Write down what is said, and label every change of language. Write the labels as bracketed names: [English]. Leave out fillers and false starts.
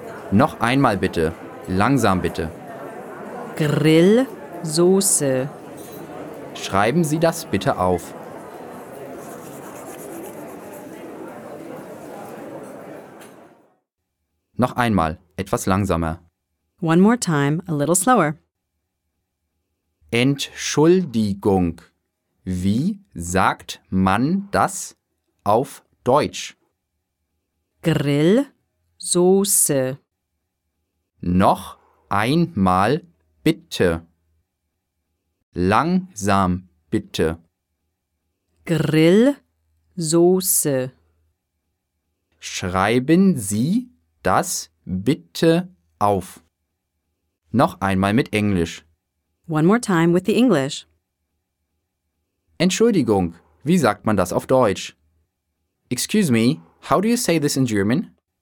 [German] Noch einmal bitte, langsam bitte. Grillsoße. Schreiben Sie das bitte auf. Noch einmal, etwas langsamer. [English] One more time, a little slower. [German] Entschuldigung. Wie sagt man das auf Deutsch? Grillsoße. Noch einmal bitte. Langsam bitte. Grillsoße. Schreiben Sie das bitte auf. Noch einmal mit Englisch. [English] One more time with the English. [German] Entschuldigung, wie sagt man das auf Deutsch? [English] Excuse me, how do you say this in German?